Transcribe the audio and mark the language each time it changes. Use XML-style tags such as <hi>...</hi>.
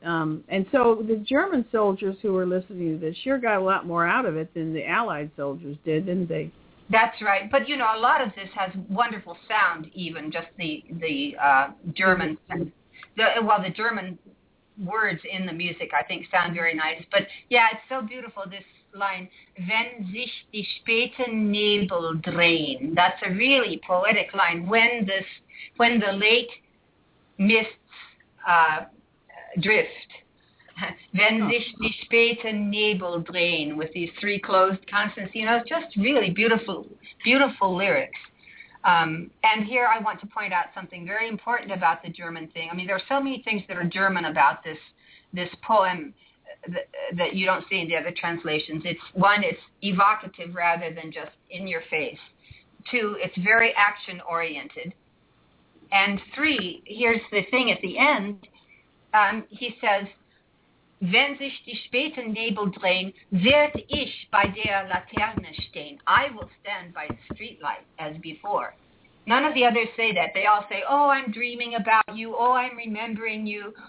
<en>And so the German soldiers who were listening to this sure got a lot more out of it than the Allied soldiers did, didn't they? That's right. But, a lot of this has wonderful sound, even just the Germans. The German words in the music, I think, sound very nice. But, yeah, it's so beautiful, this line,</en> <de>wenn sich die späten Nebel drehen.</de> <en>That's a really poetic line. When the late mists drift.</en> <de>Wenn sich die späten Nebel drehen,</de> <en>with these three closed consonants. It's just really beautiful, beautiful lyrics. And here I want to point out something very important about the German thing. I mean, there are so many things that are German about this poem that you don't see in the other translations. It's evocative rather than just in your face. Two, it's very action-oriented. And three, here's the thing at the end. He says,</en> <de>wenn sich die späten Nebel drehen, werd ich bei der Laterne stehen.</de> <en>I will stand by the streetlight as before. None of the others say that. They all say, oh, I'm dreaming about you. Oh, I'm remembering you.</en>